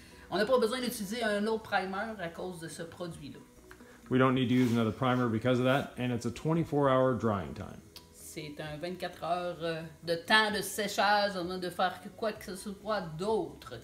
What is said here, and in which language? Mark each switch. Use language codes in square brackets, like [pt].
[fr] On n'a pas besoin d'utiliser un autre primer à cause de ce produit-là. [en] We don't need to use another primer because of that, and it's a 24-hour drying time. [fr] C'est un 24 heures de temps de séchage avant de faire quoi que ce soit d'autre.